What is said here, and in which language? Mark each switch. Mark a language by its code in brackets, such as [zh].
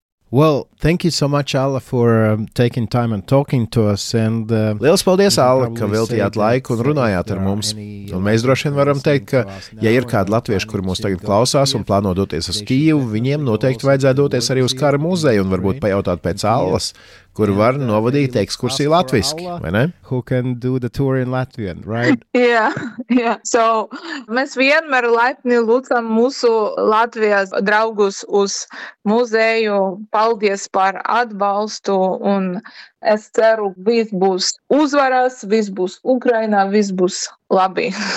[en] Well, thank you so much, Alla, for taking time and talking to us. [lv] Lielas paldies, Alla, ka veltījāt laiku un runājāt ar mums. Un mēs droši vien varam teikt, ka, ja ir kādi latvieši, kuri mūs tagad klausās un plāno doties uz Kīvu, viņiem noteikti vajadzētu doties arī uz kara muzeju un varbūt pajautāt pēc Allas, kur var novadīt ekskursiju latviski, vai ne? [en] Who can do the tour in Latvian, right? Yeah, yeah. [lv] So, mēs vienmēr laipni lūcam mūsu Latvijas draugus uz muzeju. Paldies par atbalstu un es ceru, viss būs uzvaras, viss būs Ukrainā, viss būs labi.